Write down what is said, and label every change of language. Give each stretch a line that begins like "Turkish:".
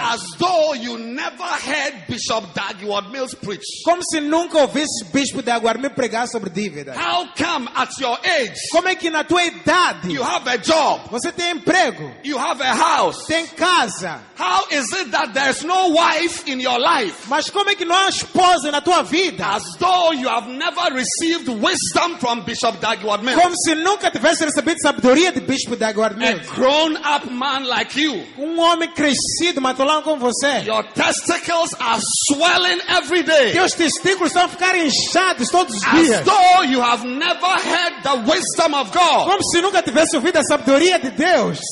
English: As though you never heard Bishop Dagwood Mills preach.
Portuguese: Como se nunca ouvisse Bispo Dagwood Mills pregar sobre dívida.
English: How come at your age?
Portuguese: Como é que na tua idade?
English: You have a job.
Portuguese: Você tem emprego.
English: You have a house.
Portuguese: Tem casa.
English: How is it that there's no wife in your life?
Portuguese: Mas como é que não há esposa na tua vida?
English: As though you have never received wisdom from Bishop Dagwood Mills.
Portuguese: Como se nunca tivesse recebido sabedoria de Bispo Dagwood Mills.
English: A grown up man like you.
Portuguese: Homem crescido, matulão como você.
English: Your testicles are swelling every day.
Portuguese: Teus testículos estão a ficar inchados todos os dias.
English: As though you have never heard the wisdom of God.
Portuguese: Como se nunca tivesse ouvido a sabedoria de Deus.